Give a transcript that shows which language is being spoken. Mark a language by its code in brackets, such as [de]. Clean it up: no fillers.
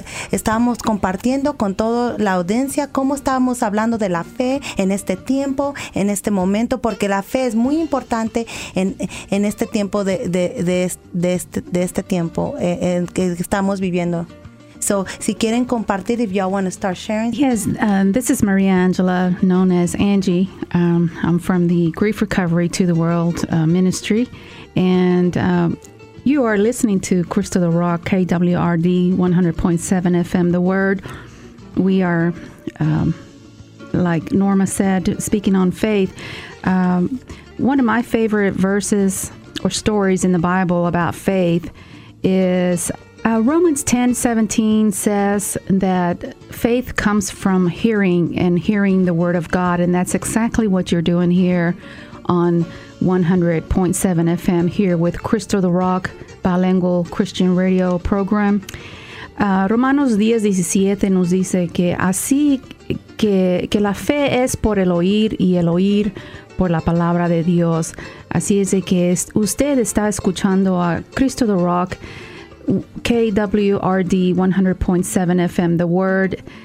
[es] Estábamos compartiendo con toda la audiencia cómo estábamos hablando de la fe en este tiempo, en este momento. Porque la fe es muy importante en este tiempo de este tiempo en que estamos viviendo. [en] So, [es] si quieren compartir, [en] if y'all want to start sharing. Yes, this is Maria Angela, known as Angie. I'm from the Grief Recovery to the World Ministry. And you are listening to Crystal the Rock, KWRD 100.7 FM, The Word. We are, like Norma said, speaking on faith. One of my favorite verses or stories in the Bible about faith is Romans 10:17 says that faith comes from hearing and hearing the word of God. And that's exactly what you're doing here on 100.7 FM here with Crystal the Rock bilingual Christian radio program. [es] Romanos 10:17 nos dice que así que la fe es por el oír y el oír por la palabra de Dios. Así es de que usted está escuchando a Cristo the Rock, KWRD 100.7 FM, The Word.